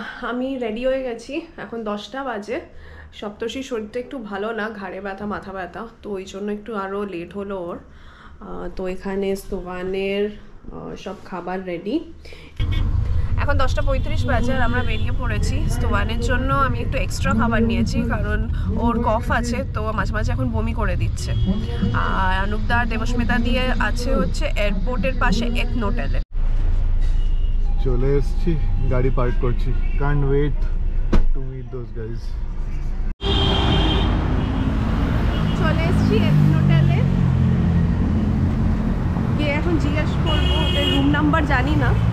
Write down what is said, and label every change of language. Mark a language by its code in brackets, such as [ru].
[bn] আমি রেডি হয়ে গেছি এখন 10টা বাজে Saptarshi শরীরটা একটু ভালো না ঘাড়ে ব্যথা মাথা ব্যথা তো ওই জন্য একটু আরও লেট হলো ওর তো এখানে স্তুবানের সব খাবার রেডি এখন 10:35 বাজে আর আমরা বেরিয়ে পড়েছি স্তুবানের জন্য আমি একটু এক্সট্রা খাবার নিয়েছি কারণ ওর কফ আছে তো মাঝে মাঝে এখন বমি করে দিচ্ছে আর অনুপ্তা আর দেবস্মিতা দিয়ে আছে হচ্ছে এয়ারপোর্টের পাশে এক হোটেলে চলে এসছি গাড়ি পার্ক করছি [en] can't wait to meet those guys [bn] চলে এসছি হোটেলে কে এখন জিজ্ঞেস করব ওদের রুম নাম্বার জানি না